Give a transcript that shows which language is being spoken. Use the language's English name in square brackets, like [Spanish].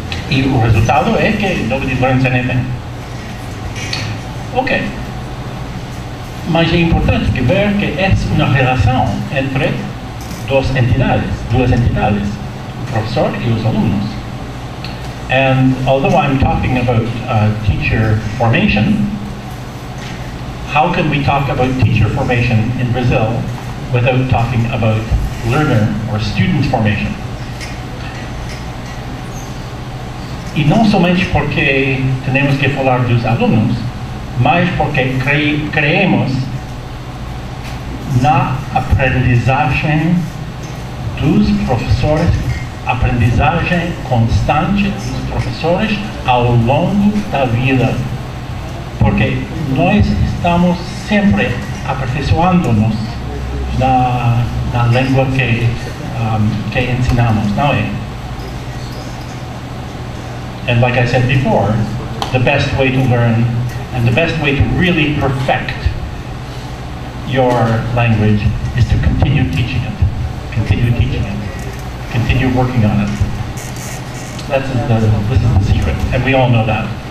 [Portuguese] E o resultado é que não me diferencia nem bem. Ok. Mas é importante que ver que é uma relação entre duas entidades, o professor e os alunos. [English] And although I'm talking about teacher formation, how can we talk about teacher formation in Brazil without talking about learner or student formation? [Portuguese] E não somente porque temos que falar dos alunos, mas porque creemos na aprendizagem dos professores, aprendizagem constante dos professores ao longo da vida. Porque nós estamos sempre aperfeiçoando-nos na língua que ensinamos, não é? [English] And like I said before, the best way to learn and the best way to really perfect your language is to continue teaching it. Continue working on it. This is the secret, and we all know that.